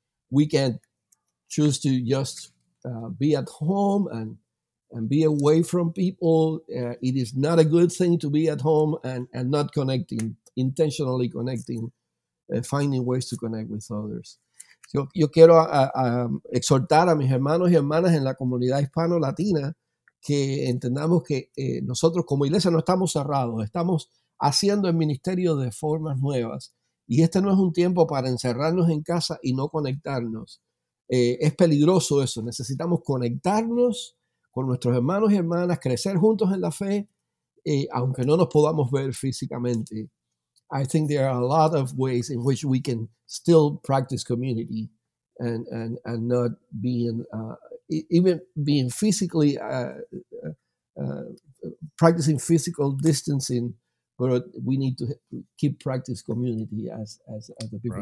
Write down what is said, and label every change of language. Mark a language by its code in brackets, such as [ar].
[en] We can choose to just be at home and be away from people. It is not a good thing to be at home and not connecting, intentionally connecting, finding ways to connect with others. [es] Yo quiero exhortar a mis hermanos y hermanas en la comunidad hispano-latina que entendamos que nosotros como iglesia no estamos cerrados, estamos haciendo el ministerio de formas nuevas. Y este no es un tiempo para encerrarnos en casa y no conectarnos. Es peligroso eso. Necesitamos conectarnos con nuestros hermanos y hermanas, crecer juntos en la fe, aunque no nos podamos ver físicamente. [en] I think there are a lot of ways in which we can still practice community and not being, even being physically, practicing physical distancing. But we need to keep practice community as the people